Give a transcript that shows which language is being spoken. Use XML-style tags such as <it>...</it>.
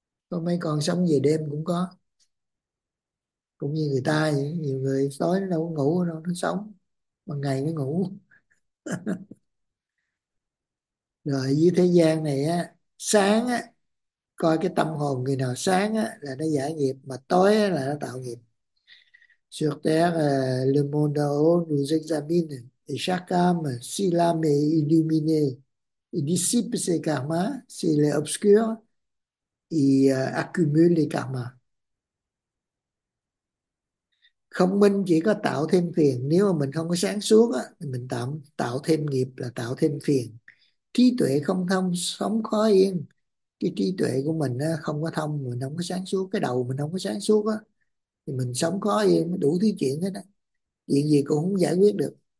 <vi>Có mấy con sống về đêm cũng có, cũng như người ta vậy. Nhiều người tối nó đâu có ngủ đâu, nó sống mà ngày nó ngủ. Rồi dưới thế gian này á, sáng á, coi cái tâm hồn người nào sáng á, là nó giải nghiệp, mà tối á, là nó tạo nghiệp.</vi> <fr>Sur terre, le monde en haut nous examine, et chaque âme, si l'âme est illuminée, il dissipe ses karmas, s'il est obscur, il accumule les karmas.</fr> <vi>Không minh chỉ có tạo thêm phiền, nếu mà mình không có sáng suốt á, thì mình tạo tạo thêm nghiệp là tạo thêm phiền. Trí tuệ không thông, sống khó yên. Cái trí tuệ của mình không có thông, mình không có sáng suốt, cái đầu mình không có sáng suốt á, thì mình sống khó yên, đủ thứ chuyện hết á, chuyện gì cũng không giải quyết được.</vi>